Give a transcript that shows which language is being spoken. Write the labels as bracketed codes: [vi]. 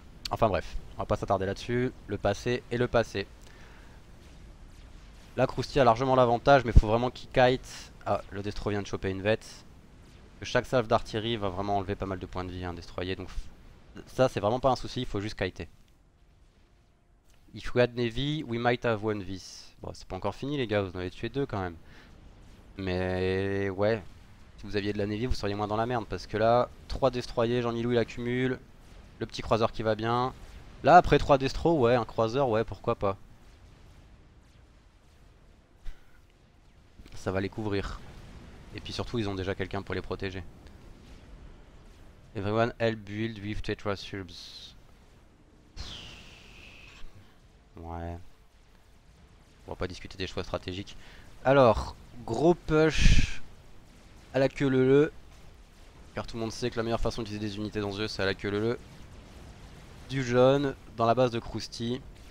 [fr] Enfin bref, on va pas s'attarder là-dessus. Le passé est le passé. Là, Krusty a largement l'avantage, mais faut vraiment qu'il kite. Ah, le Destro vient de choper une vette. Chaque salve d'artillerie va vraiment enlever pas mal de points de vie à un destroyer. Donc, ça, c'est vraiment pas un souci, il faut juste kiter. [en] If we had Navy, we might have won this. [fr] Bon, c'est pas encore fini, les gars, vous en avez tué deux quand même. Mais ouais, si vous aviez de la Navy, vous seriez moins dans la merde. Parce que là, 3 destroyers, Jean-Milou il accumule. Le petit croiseur qui va bien. Là, après 3 Destro, ouais, un croiseur, ouais, pourquoi pas. Ça va les couvrir. Et puis surtout, ils ont déjà quelqu'un pour les protéger. [en] Everyone help build with Tetra subs. [fr] Ouais. On va pas discuter des choix stratégiques. Alors, gros push à la queue leu-leu. Car tout le monde sait que la meilleure façon d'utiliser des unités dans ce jeu, c'est à la queue leu-leu. Du jaune dans la base de Krusty.